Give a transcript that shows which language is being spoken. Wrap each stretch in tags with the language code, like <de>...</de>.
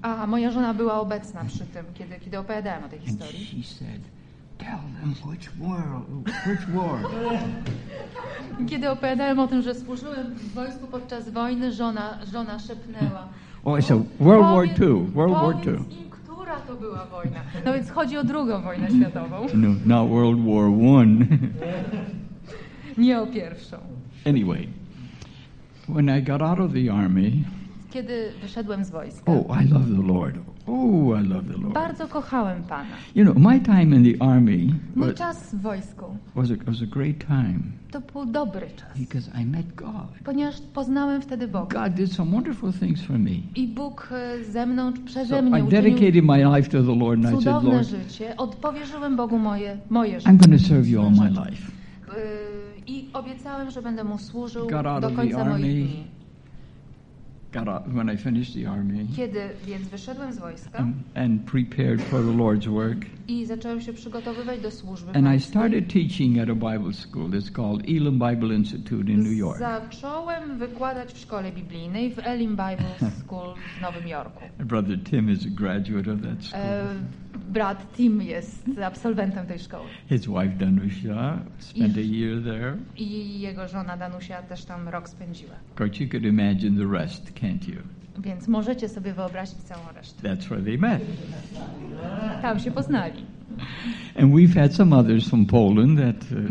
<pl>Aha, moja żona była obecna przy tym, kiedy opowiadałem o tej historii.</pl> <en>And she said, tell them which war.</en> <pl>Kiedy opowiadałem o tym, że służyłem w wojsku podczas wojny, żona szepnęła.</pl> <en>Oh, so World War II. World War II.</en> <pl>Która to była wojna? No więc chodzi o drugą wojnę światową.</pl> <en>No, not World War I.</en> <pl>Nie o pierwszą.</pl> <en>Anyway. When I got out of the army,</en> <pl>kiedy wyszedłem z wojska.</pl> <en>Oh, I love the Lord. Oh, I love the Lord.</en> <pl>Bardzo kochałem Pana.</pl> <en>You know, my time in the army.</en> <pl>Mój czas w wojsku.</pl> <en>Was a great time.</en> <pl>To był dobry czas.</pl> <en>Because I met God.</en> <pl>Ponieważ poznałem wtedy Boga.</pl> <en>God did some wonderful things for me.</en> <pl>I Bóg ze mną, przeze mnie uczynił.</pl> <en>I dedicated my life to the Lord and I said, Lord,</en> <pl>życie. Odpowierzyłem Bogu moje życie.</pl> <en>I'm going to serve you all my life.</en> <pl>I obiecałem, że będę mu służył do końca moich dni.</pl> <en>Got out when I finished the army.</en> <pl>Kiedy więc wyszedłem z wojska.</pl> <en>And prepared for the Lord's work.</en> <pl>I zacząłem się przygotowywać do służby.</pl> <en>And I started teaching at a Bible school that's called Elim Bible Institute in New York.</en> <pl>Zacząłem wykładać w szkole biblijnej w Elim Bible School w Nowym Jorku.</pl> <en>Brother Tim is a graduate of that school.</en> <pl>Brat Tim jest absolwentem tej szkoły.</pl> <en>His wife Danusia spent a year there.</en> <pl>I jego żona Danusia też tam rok spędziła.</pl> <en>Because you could imagine the rest, can't you?</en> <pl>Więc możecie sobie wyobrazić całą resztę.</pl> <en>That's where they met.</en> <pl>Tam się poznali.</pl> <en>And we've had some others from Poland that</en>